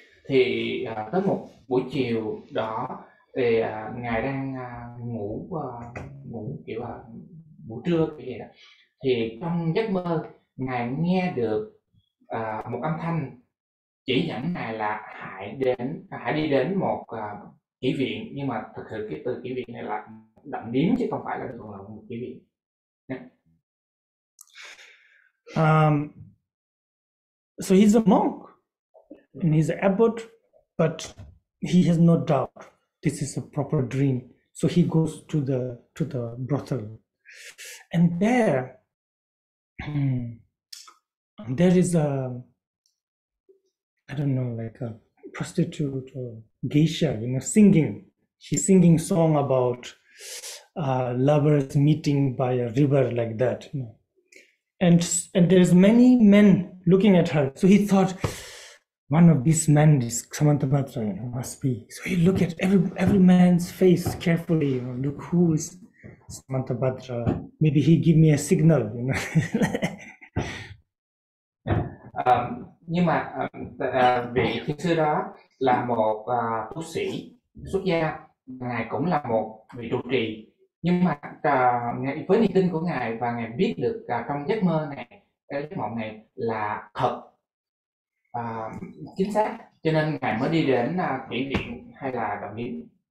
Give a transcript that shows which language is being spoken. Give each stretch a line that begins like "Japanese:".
Vietnamese: Thì tới một buổi chiều đó thì ngài đang ngủ kiểu là ngủ trưa cái gì đó, thì trong giấc mơ ngài nghe được một âm thanh chỉ dẫn ngài là hãy đi đến một kỷ viện, nhưng mà thực sự cái từ kỷ viện này là đậm điếm chứ không phải là thường là một kỷ viện.
English: So he's a monk and he's an abbot, but he has no doubt this is a proper dream. So he goes to the brothel, and there is a, I don't know, like a prostitute or geisha, you know, singing. She's singing song about lovers meeting by a river like that. And there's many men looking at her. So he thought, one of these men is Samantabhadra, you know, must be. So he looked at every man's face carefully. You know, look, who is Samantabhadra? Maybe he give me a signal, you know.
Vietnamese: Nhưng mà vị thiền sư đó là một tu sĩ xuất gia, ngài cũng là một vị trụ trì, nhưng mà với niềm tin của ngài và ngài biết được trong giấc mơ này, cái giấc mộng này là thật, chính xác, cho nên ngài mới đi đến kỷ viện hay là động viện.